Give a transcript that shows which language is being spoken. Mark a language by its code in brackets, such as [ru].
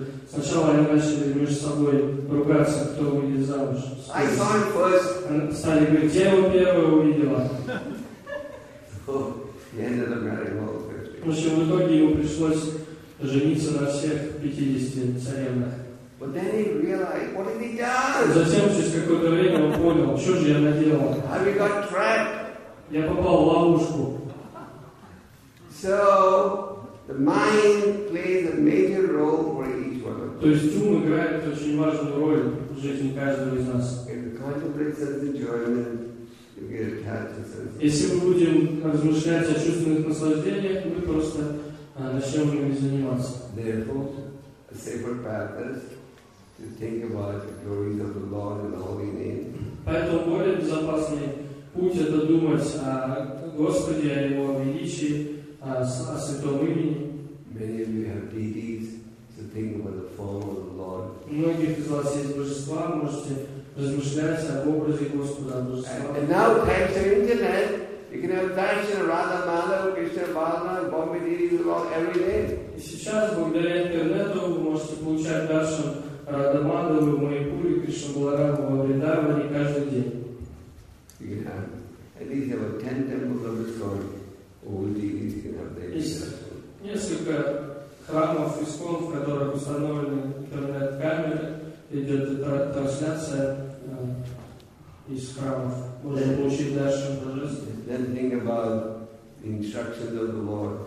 [ru] Сначала они начали между собой ругаться, кто выйдет замуж. [en] I saw him first. [ru] Стали говорить, где его первая увидела. В общем, в итоге ему пришлось жениться на всех 50 царевнах. [en] But then he realized, what did he do? [ru] Затем через какое-то время он понял, что же я наделал. [en] Have you got trapped? [ru] Я попал в ловушку. [en] So the mind plays a major role for each one of us. [ru] То есть ум играет очень важную роль в жизни каждого из нас. [en] If you contemplate sense enjoyment, you get attached to sense. [ru] Если мы будем размышлять о чувственных наслаждениях, мы просто начнем ими заниматься. [en] Therefore, a safer path is to think about the glories of the Lord and the Holy Name. [ru] Поэтому более безопасный путь — это думать о Господе, о Его величии, о Святом имени. [en] Many of you have deities, so think about the form of the Lord. [ru] Многих из вас есть божества, можете размышлять об образе Господа. [en] And now thanks to internet, you can have darshan, Radha Madhav, Krishna Balaram, and Bombay deities along every day. [ru] И сейчас благодаря интернету вы можете получать даршан Радха Мадхава, Майпури, Кришна Баларама, Вриндаване каждый день. [en] You can have at least about 10 temples of this Lord. All deities can have their darshan. [ru] Несколько храмов ИСКОН, в которых установлены интернет-камеры, идет трансляция из храмов. Можно получить дальше божественное.